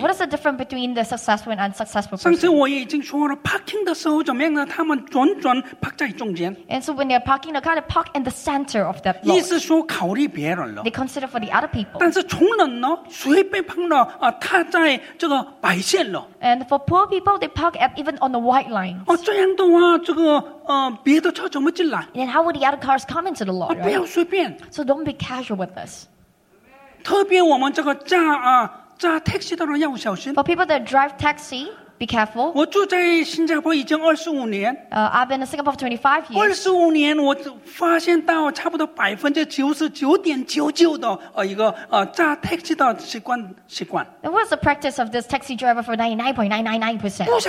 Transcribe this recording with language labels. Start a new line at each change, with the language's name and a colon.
English: What is the difference between the successful and unsuccessful person?
Chinese: 上次我已经说了 parking 的时候怎么样呢？他们转 park 在中间。
English: And so when they're parking the car, they park in the center of that lot.
Chinese: 意思说考虑别人了。
English: They consider for the other people.
Chinese: 但是穷人呢，随便碰到。他在这个白线了。
English: And for poor people, they park at even on the white lines.
Chinese: 这样的话，这个别的车怎么进来？
English: And how would the other cars come into the lot?
Chinese: 不要随便。
English: So don't be casual with this.
Chinese: 特别我们这个驾 taxi 的人要小心。
English: For people that drive taxi, be careful.
Chinese: 我住在新加坡已经25年。
English: I've been in Singapore for 25 years.
Chinese: 25年，我发现到差不多99.99%的一个驾 taxi 的习惯。
English: And what's the practice of this taxi driver for 99.999%?